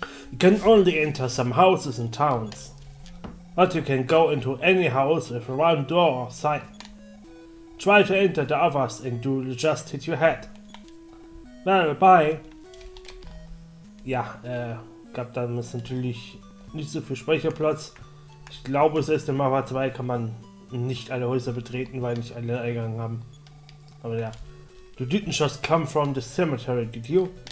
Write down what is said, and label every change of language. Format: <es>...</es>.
<en>You can only enter some houses and towns, but you can go into any house with one door or sign. Try to enter the others and you'll just hit your head. Well, bye.</en> <de>Ja, gab dann ist natürlich nicht so viel Speicherplatz. Ich glaube, es ist in Mother 2 kann man nicht alle Häuser betreten, weil nicht alle Eingang haben. Aber ja.</de> <en>You didn't just come from the cemetery, did you?</en>